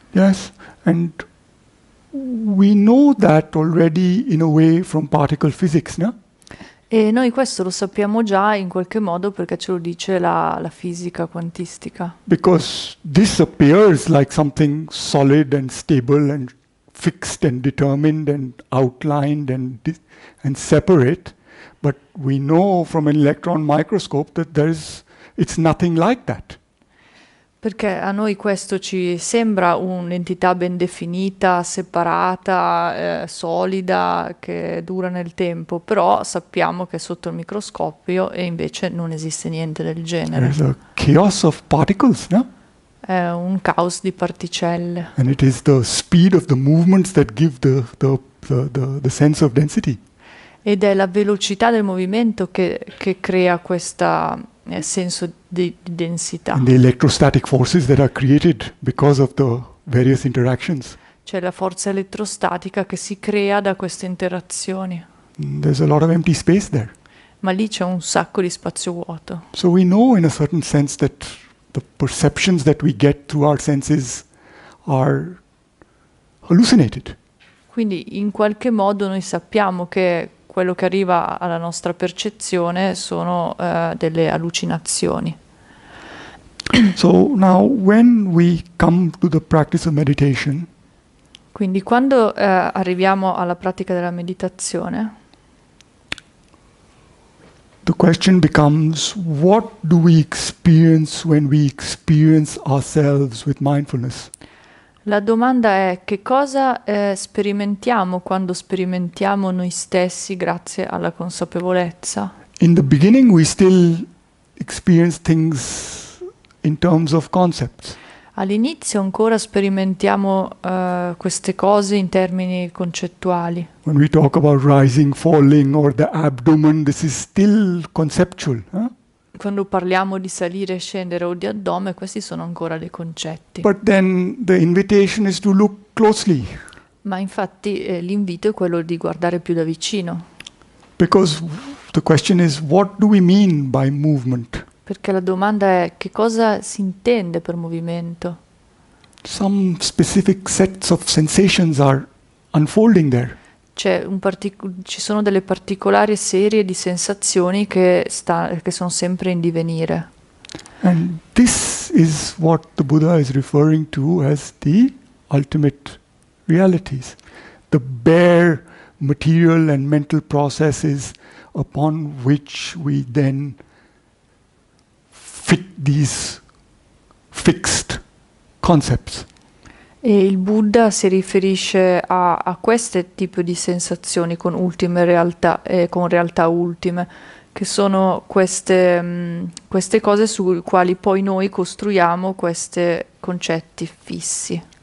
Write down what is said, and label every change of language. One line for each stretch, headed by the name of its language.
English: Yes, and we know that already in a way from particle physics, no?
Italian: E noi questo lo sappiamo già in qualche modo perché ce lo dice la fisica quantistica.
English: Because this appears like something solid and stable and fixed and determined and outlined and separate, but we know from an electron microscope that it's nothing like that.
Italian: Perché a noi questo ci sembra un'entità ben definita, separata, solida, che dura nel tempo, però sappiamo che sotto il microscopio e invece non esiste niente del
English: There's
Italian: genere.
English: a chaos of particles, no?
Italian: È un caos di particelle.
English: And it is the speed of the movements that give the sense of density.
Italian: Ed è la velocità del movimento che crea questo senso di densità.
English: And the electrostatic forces that are created because of the various interactions.
Italian: C'è la forza elettrostatica che si crea da queste interazioni.
English: There's a lot of empty space there.
Italian: Ma lì c'è un sacco di spazio vuoto.
English: So we know in a certain sense that the perceptions that we get through our senses are hallucinated.
Italian: Quindi in qualche modo noi sappiamo che quello che arriva alla nostra percezione sono delle allucinazioni.
English: So now when we come to the practice of meditation,
Italian: Quindi quando arriviamo alla pratica della meditazione,
English: the question becomes, what do we experience when we experience ourselves with mindfulness?
Italian: la domanda è che cosa sperimentiamo quando sperimentiamo noi stessi grazie alla consapevolezza?
English: In the beginning, we still experience things in terms of concepts.
Italian: All'inizio ancora sperimentiamo queste cose in termini concettuali.
English: When we talk about rising, falling, or the abdomen, this is still conceptual. Huh?
Italian: Quando parliamo di salire e scendere o di addome, questi sono ancora dei concetti.
English: But then the invitation is to look closely.
Italian: Ma infatti l'invito è quello di guardare più da vicino.
English: Because the question is, what do we mean by movement?
Italian: Perché la domanda è che cosa si intende per movimento?
English: Some specific sets of sensations are unfolding there.
Italian: Ci sono delle particolari serie di sensazioni che sono sempre in divenire.
English: And this is what the Buddha is referring to as the ultimate realities, the bare material and mental processes upon which we then fit these fixed concepts.
Italian: E il Buddha si riferisce a questo tipo di sensazioni con realtà ultime, che sono queste cose su quali poi noi costruiamo questi concetti fissi.